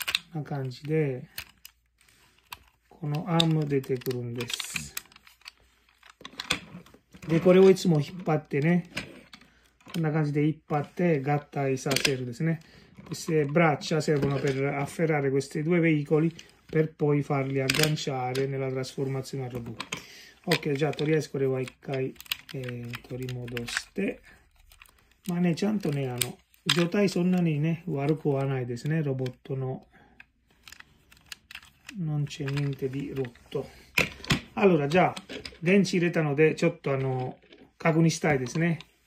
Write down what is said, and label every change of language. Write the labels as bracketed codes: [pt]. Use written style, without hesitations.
[ja] こんな感じで、このアーム出てくるんです。で、これをいつも引っ張ってね、こんな感じで引っ張って合体させるですね。 [it] Queste braccia servono per afferrare questi due veicoli per poi farli agganciare nella trasformazione a robot. Ok, già, [ja] とりあえずこれは一回、取り戻して。まあね、ちゃんとね、状態そんなにね、悪くはないですね、ロボットの。 [it] Non c'è niente di rotto. Allora, già, [ja] 電池入れたので、ちょっと確認したいですね。